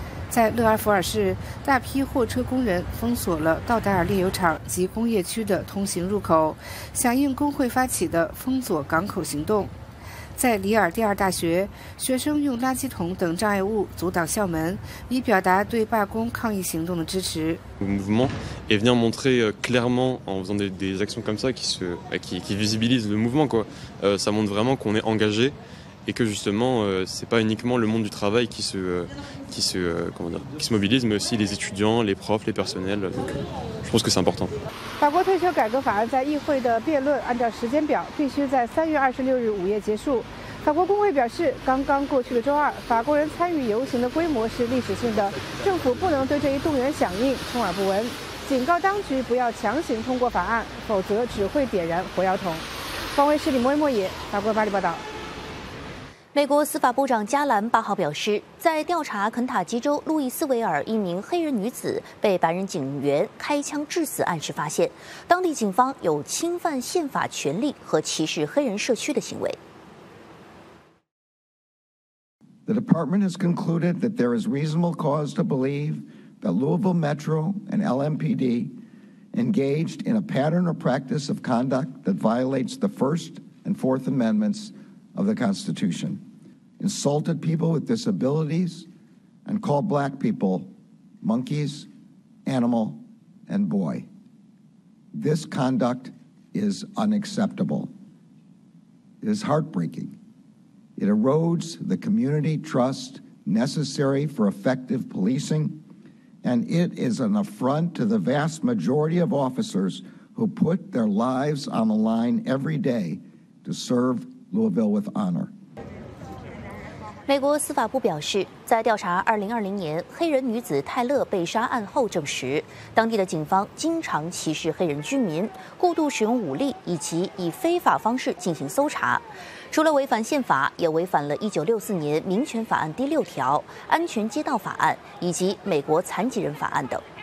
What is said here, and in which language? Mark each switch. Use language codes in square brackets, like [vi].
[zh] 在勒阿弗尔市，大批货车工人封锁了道达尔炼油厂及工业区的通行入口，响应工会发起的封锁港口行动。在里尔第二大学，学生用垃圾桶等障碍物阻挡校门，以表达对罢工抗议行动的支持。 [fr] Le mouvement est venu montrer clairement en faisant des actions comme ça qui visibilisent le mouvement quoi. Ça montre vraiment qu'on est engagé et que justement c'est pas uniquement le monde du travail qui se mobilise, mais aussi les étudiants, les profs, les personnels. Donc, je pense que c'est important. [zh] 法国退休改革法案在议会的辩论按照时间表必须在3月26日午夜结束。法国工会表示，刚刚过去的周二，法国人参与游行的规模是历史性的，政府不能对这一动员响应充耳不闻，警告当局不要强行通过法案，否则只会点燃火药桶。方卫视李莫野，法国巴黎报道。美国司法部长加兰八号表示，在调查肯塔基州路易斯维尔一名黑人女子被白人警员开枪致死案时，发现当地警方有侵犯宪法权利和歧视黑人社区的行为。 [en] The department has concluded that there is reasonable cause to believe that Louisville Metro and LMPD engaged in a pattern or practice of conduct that violates the First and Fourth Amendments. Of the Constitution, insulted people with disabilities, and called black people monkeys, animal, and boy. This conduct is unacceptable. It is heartbreaking. It erodes the community trust necessary for effective policing and it is an affront to the vast majority of officers who put their lives on the line every day to serve Louisville with honor. [zh] 美国司法部表示，在调查2020年黑人女子泰勒被杀案后证实，当地的警方经常歧视黑人居民，过度使用武力以及以非法方式进行搜查，除了违反宪法，也违反了1964年民权法案第六条、安全街道法案以及美国残疾人法案等。